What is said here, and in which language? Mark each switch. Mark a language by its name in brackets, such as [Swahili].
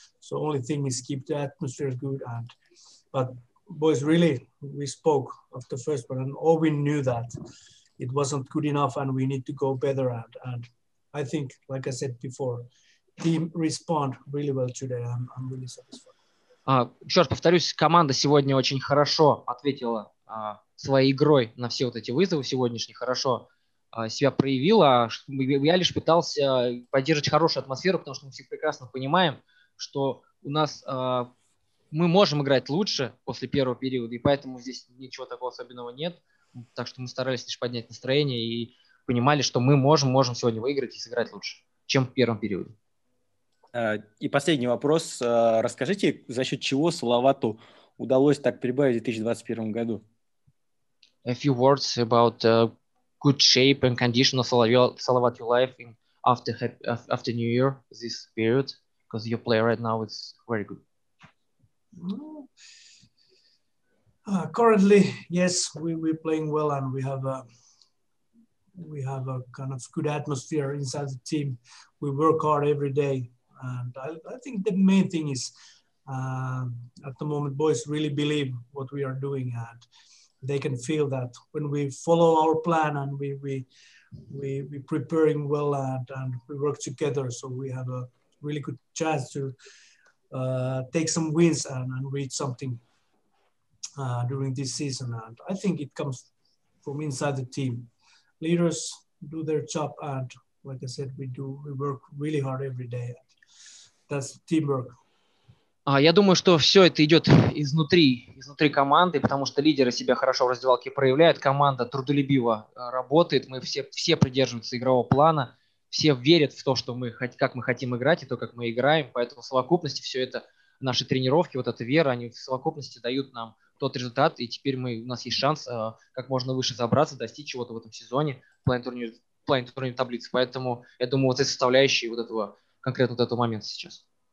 [English] So only thing is keep the atmosphere good. And but boys, really, we spoke of the first one, and all we knew that it wasn't good enough and we need to go better at. And I think, like I said before, team respond really well today. I'm really satisfied. [Russian] Еще раз повторюсь, команда сегодня очень хорошо ответила своей игрой на все вот эти вызовы сегодняшние, хорошо себя проявил, а я лишь пытался поддерживать хорошую атмосферу, потому что мы все прекрасно понимаем, что у нас мы можем играть лучше после первого периода, и поэтому здесь ничего такого особенного нет. Так что мы старались лишь поднять настроение и понимали, что мы можем сегодня выиграть и сыграть лучше, чем в первом периоде. И последний вопрос. Расскажите, за счет чего Салавату удалось так прибавить в 2021 году? [English] A few words about good shape and condition of Salavat Yulaev in after New Year this period, because your play right now is very good. Currently, yes, we're playing well, and we have a kind of good atmosphere inside the team. We work hard every day, and I think the main thing is at the moment, boys really believe what we are doing at. They can feel that when we follow our plan and we we preparing well and we work together, so we have a really good chance to take some wins and reach something during this season. And I think it comes from inside the team. Leaders do their job, and like I said, we work really hard every day. That's teamwork. [Russian] Я думаю, что все это идет изнутри команды, потому что лидеры себя хорошо в раздевалке проявляют, команда трудолюбиво работает, мы все придерживаемся игрового плана, все верят в то, что мы, как мы хотим играть и то, как мы играем, поэтому в совокупности все это, наши тренировки, вот эта вера, они в совокупности дают нам тот результат, и теперь у нас есть шанс как можно выше забраться, достичь чего-то в этом сезоне в плане турнира таблицы, поэтому я думаю, вот эти составляющие конкретно вот этого момента сейчас.